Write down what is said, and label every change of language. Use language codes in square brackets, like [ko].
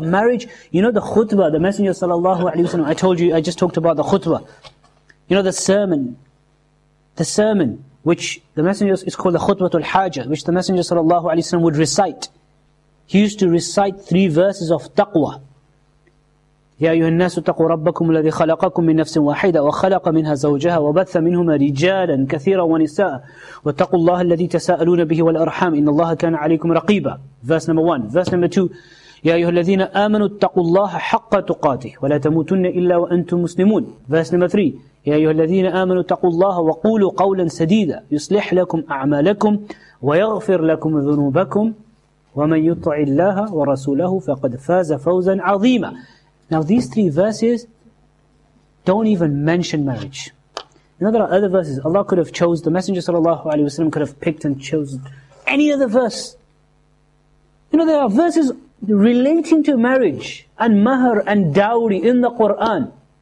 [en] Marriage, you know the khutbah, the Messenger sallallahu alayhi wa sallam, I told you, I just talked about the khutbah. You know the sermon which the Messenger, is called the Khutbatul Hajah, which the Messenger sallallahu alayhi wa sallam would recite. He used to recite three verses of taqwa. [ar] يا أيها الناس اتقوا ربكم الذي خلقكم من نفس واحدة وخلق منها زوجها وبث منهما رجالا كثيرا ونساء واتقوا الله الذي تساءلون به والأرحام إن الله كان عليكم رقيبا. [en] Verse number one. Verse number two. [ar] يا أيها الذين آمنوا اتقوا الله حق تقاته ولا تموتن إلا وأنتم مسلمون. [en] Verse number three. [ar] يا أيها الذين آمنوا اتقوا الله وقولوا قولا سديدا يصلح لكم أعمالكم ويغفر لكم ذنوبكم ومن يطع الله ورسوله فقد فاز فوزا عظيما. [en] Now these three verses don't even mention marriage. You know, there are other verses. Allah could have chose, the Messenger sallallahu alaihi wasallam could have picked and chosen any other verse. You know, there are verses relating to marriage and mahr and dowry in the Quran.